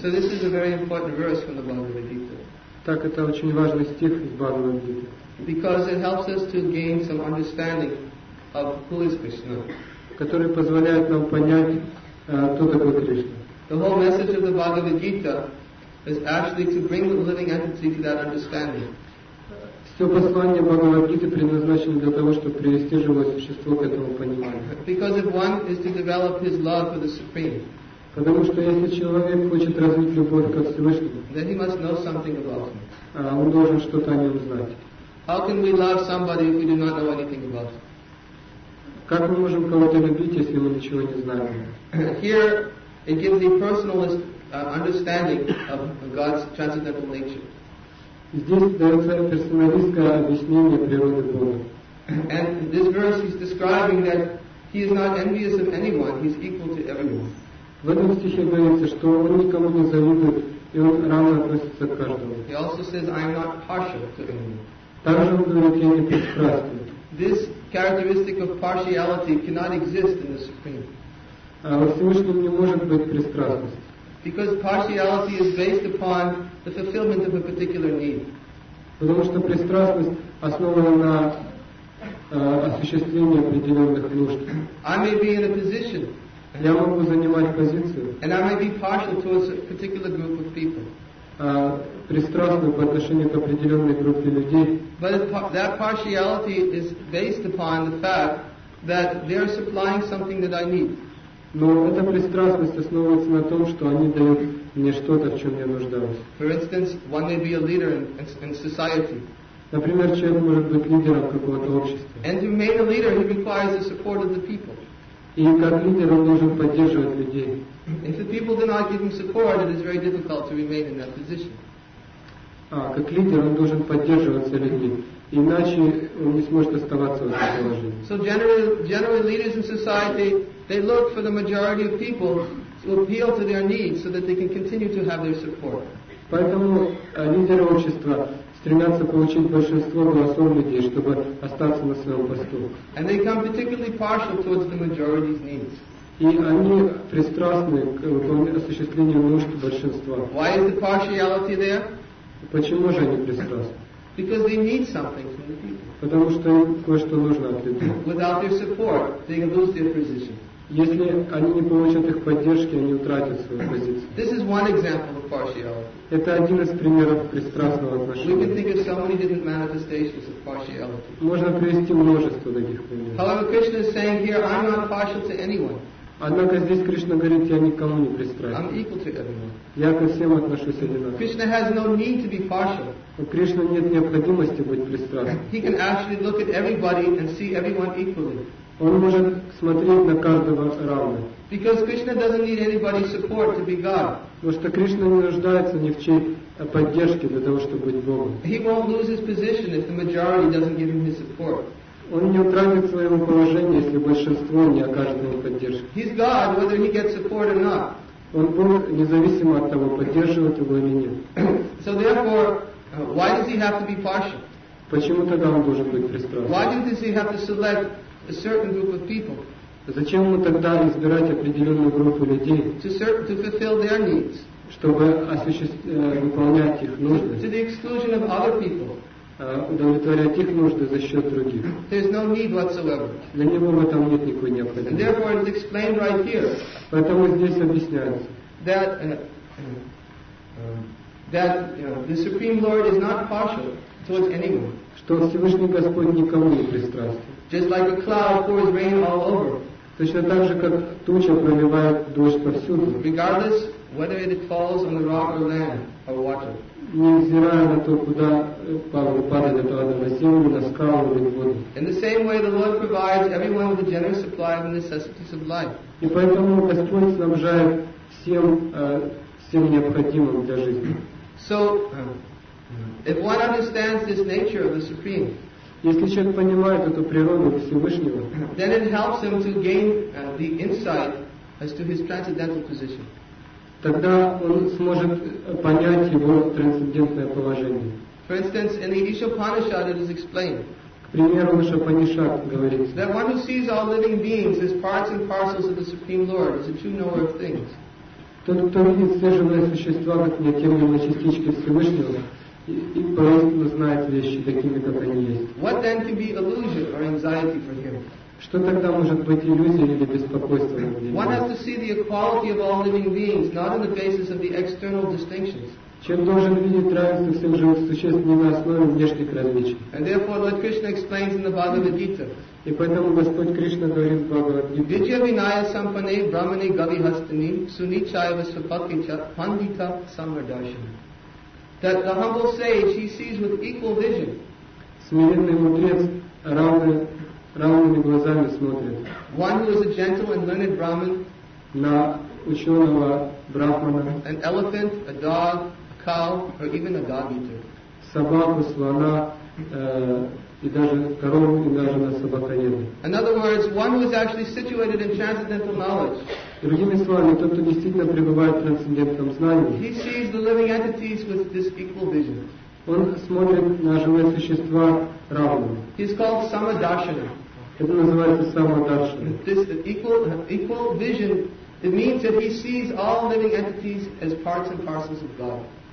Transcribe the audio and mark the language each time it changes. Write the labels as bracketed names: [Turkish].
[English] So this is a very important verse from the Bhagavad Gita. [Russian] Так это очень важный стих из Бхагавад Гиты. [English] Because it helps us to gain some understanding of who is Krishna. [Russian] Который позволяет нам понять, кто такой Кришна. [English] The whole message of the Bhagavad Gita is actually to bring the living entity to that understanding. [Russian] Все послание Бхагавад Гиты предназначено для того, чтобы привести живое существо к этому пониманию. [English] Because if one is to develop his love for the Supreme. [Russian] Потому что если человек хочет развить любовь ко Всевышнему, [English] then he must know something about him. [Russian] Он должен что-то о нем знать. [English] How can we love somebody if we do not know anything about him? [Russian] Как мы можем кого-то любить, если мы ничего не знаем? [English] Here it gives the personalist understanding of God's transcendental nature. [Russian] Здесь дается персоналистское объяснение природы Бога. [English] And this verse is describing that he is not envious of anyone, he is equal to everyone. [Russian] В этом стихе говорится, что он никому не завидует, и он равно относится к каждому. [English] He also says, I am not partial to anyone. [Russian] Также он говорит, я не пристрастен. [English] This characteristic of partiality cannot exist in the Supreme. [Russian] Во Всевышнем не может быть пристрастности. [English] Because partiality is based upon the fulfillment of a particular need. [Russian] Потому что пристрастность основана на осуществлении определенных нужд. [English] I may be in a position. [Russian] Я могу занимать позицию. [English] And I may be partial towards a particular group of people. [Russian] Пристрастную по отношению к определенной группе людей. [English] But that partiality is based upon the fact that they are supplying something that I need. [Russian] Но эта пристрастность основывается на том, что они дают мне что-то, в чем я нуждаюсь. [English] For instance, one may be a leader in society. [Russian] Например, человек может быть лидером какого-то общества. [English] And to make a leader, he requires the support of the people. [Russian] И как лидер он должен поддерживать людей. [English] If the people do not give him support, it is very difficult to remain in that position. [Russian] Как лидер он должен поддерживаться людьми, иначе он не сможет оставаться в этом положении. [English] So generally leaders in society, they look for the majority of people to appeal to their needs so that they can continue to have their support. [Russian] Поэтому лидеры общества стремятся получить большинство голосов людей, чтобы остаться на своем посту. [English] And they become particularly partial towards the majority's needs. [Russian] И они пристрастны к осуществлению нужд большинства. [English] Why is the partiality there? [Russian] Почему же они пристрастны? [English] Because they need something from the people. [Russian] Потому что им кое-что нужно от людей. [English] Without their support, they lose their position. [Russian] Если они не получат их поддержки, они утратят свою позицию. [English] This is one example of partiality. [Russian] Это один из примеров пристрастного отношения. [English] We can think of so many different manifestations of partiality. [Russian] Можно привести множество таких примеров. [English] However, Krishna is saying here, I'm not partial to anyone. [Russian] Однако здесь Кришна говорит, я никому не пристрастен. [English] I'm equal to everyone. [Russian] Я ко всем отношусь одинаково. [English] Krishna has no need to be partial. [Russian] У Кришны нет необходимости быть пристрастным. [English] He can actually look at everybody and see everyone equally. [Russian] Он может смотреть на каждого равно. [English] Because Krishna doesn't need anybody's support to be God. [Russian] Потому что Кришна не нуждается ни в чьей поддержке для того, чтобы быть Богом. [English] He won't lose his position if the majority doesn't give him his support. [Russian] Он не утратит своего положения, если большинство не окажет ему поддержки. [English] He's God, whether he gets support or not. [Russian] Он Бог, независимо от того, поддерживает его или нет. [English] So therefore, why does he have to be partial? [Russian] Почему тогда он должен быть пристрастным? [English] Why does he have to select a certain group of people? [Russian] Зачем ему тогда избирать определенную группу людей? [English] To fulfill their needs. [Russian] Чтобы выполнять их нужды. [English] To the exclusion of other people. [Russian] Удовлетворять их нужды за счет других. [English] There's no need whatsoever. [Russian] Для него в этом нет никакой необходимости. [English] And therefore it's explained right here. [Russian] Поэтому здесь объясняется. [English] That the Supreme Lord is not partial towards anyone. [Russian] Что Всевышний Господь никому не пристрастен. [English] Just like a cloud pours rain all over. [Russian] Точно так же, как туча проливает дождь повсюду. [English] Regardless whether it falls on the rock or land or water. [Russian] Невзирая на то, куда падает эта вода, на землю, на скалу или воду. [English] In the same way, the Lord provides everyone with a generous supply of the necessities of life. [Russian] И поэтому Господь снабжает всем необходимым для жизни. [English] So, if one understands this nature of the Supreme, [Russian] если человек понимает эту природу Всевышнего, [English] then it helps him to gain the insight as to his transcendental position. [Russian] Тогда он сможет понять его трансцендентное положение. [English] For instance, in the Ишопанишад it is explained. [Russian] К примеру, в Ишопанишад говорится. [English] That one who sees all living beings as parts and parcels of the Supreme Lord is a true knower of things. [Russian] Тот, кто видит все живые существа как неотъемлемые частички Всевышнего, и поистину знает вещи такими, как они есть. [English] What then can be illusion or anxiety for him? [Russian] Что тогда может быть иллюзией или беспокойством? [English] One has to see the equality of all living beings, not on the basis of the external distinctions. [Russian] Чем должен видеть равенство всех живых существ не на основе внешних различий. [English] And therefore, Lord Krishna explains in the Bhagavad Gita. [Russian] И поэтому Господь Кришна говорит в Бхагавад Гите. [Sanskrit] Vijaya Vinaya Sampane Brahmane Gavi Hastini Sunichaya Vasvapati Cha Pandita Samardarshan. [English] That the humble sage, he sees with equal vision. [Russian] Смиренный мудрец равными глазами смотрит. [English] One who is a gentle and learned Brahmin. [Russian] На ученого Брахмана. [English] An elephant, a dog, a cow, or even a dog eater. [Russian] Собаку, слона, и даже корову, и даже на собакоеда. [English] In other words, one who is actually situated in transcendental knowledge. [Russian] Другими словами, тот, кто действительно пребывает в трансцендентном знании. [English] He sees the living entities with this equal vision. [Russian] Он смотрит на живые существа равными. [English] He's called Samadarshana. [Russian] Это называется Самадаршана. [English] This equal vision, it means that he sees all living entities as parts and parcels of God.